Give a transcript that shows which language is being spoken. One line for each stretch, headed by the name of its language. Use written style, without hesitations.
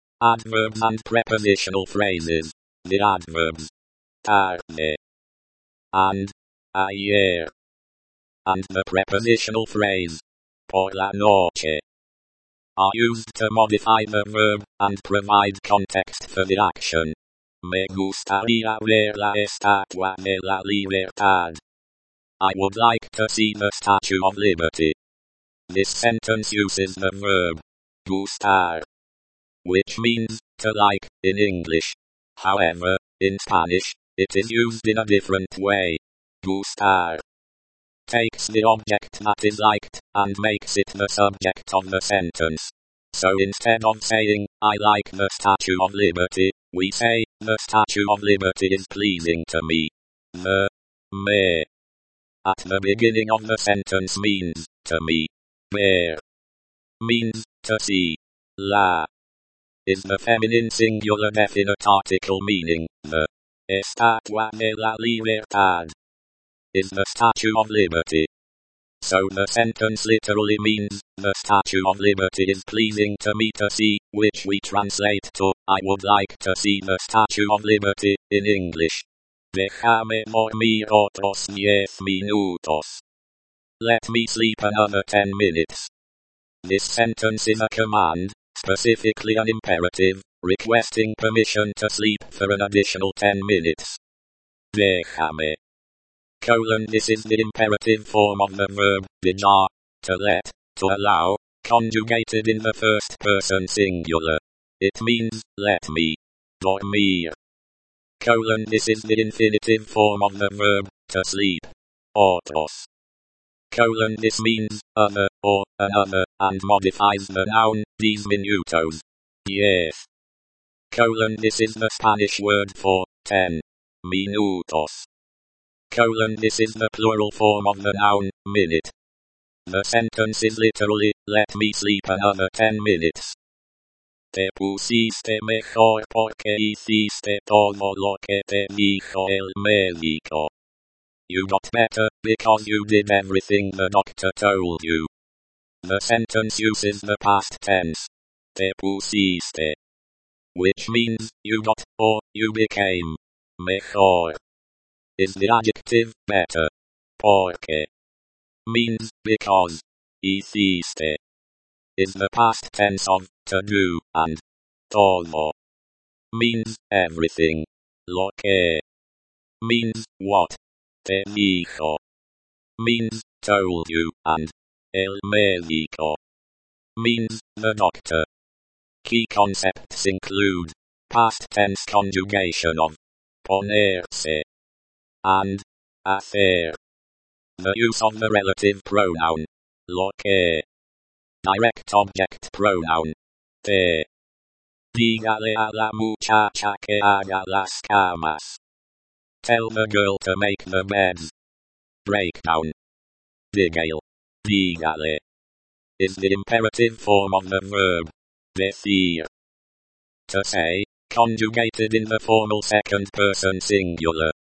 English: Adverbs and prepositional phrases. The adverbs. Tarde. And. Ayer. And the prepositional phrase.
Spanish: Por la noche.
English: Are used to modify the verb and provide context for the action.
Spanish: Me gustaría ver la estatua de la libertad.
English: I would like to see the Statue of Liberty. This sentence uses the verb gustar, which means to like in English. However, in Spanish, it is used in a different way. Gustar takes the object that is liked and makes it the subject of the sentence. So instead of saying, I like the Statue of Liberty, we say, the Statue of Liberty is pleasing to me. The me at the beginning of the sentence means to me. Ver means to see. La is the feminine singular definite article meaning the.
Spanish: Estatua de la libertad
English: is the Statue of Liberty. So the sentence literally means, the Statue of Liberty is pleasing to me to see, which we translate to, I would like to see the Statue of Liberty, in English.
Spanish: Déjame dormir otros 10 minutos.
English: Let me sleep another 10 minutes. This sentence is a command, specifically an imperative, requesting permission to sleep for an additional 10 minutes. Déjame. Colon, this is the imperative form of the verb, dejar, to let, to allow, conjugated in the first person singular. It means, let me, dormir. Colon, this is the infinitive form of the verb, to sleep, otros. Colon, this means, other, or, another, and modifies the noun, these minutos. Yes. Colon, this is the Spanish word for, 10, minutos. Colon, this is the plural form of the noun, minute. The sentence is literally, let me sleep another 10 minutes.
Spanish: Te pusiste mejor porque hiciste todo lo que te dijo el médico.
English: You got better, because you did everything the doctor told you. The sentence uses the past tense.
Spanish: Te pusiste.
English: Which means, you got, or, you became. Mejor. Is the adjective, better. Porque. Means, because. Hiciste. Is the past tense of, to do, and. Todo. Means, everything.
Spanish: Lo que.
English: Means, what.
Spanish: Te dijo.
English: Means, told you, and.
Spanish: El médico.
English: Means, the doctor. Key concepts include. Past tense conjugation of. Ponerse. And, hacer. The use of the relative pronoun,
Spanish: lo que.
English: Direct object pronoun, te.
Spanish: Dígale a la muchacha que haga las camas.
English: Tell the girl to make the beds. Breakdown. Dígale. Dígale. Is the imperative form of the verb, decir. To say, conjugated in the formal second person singular.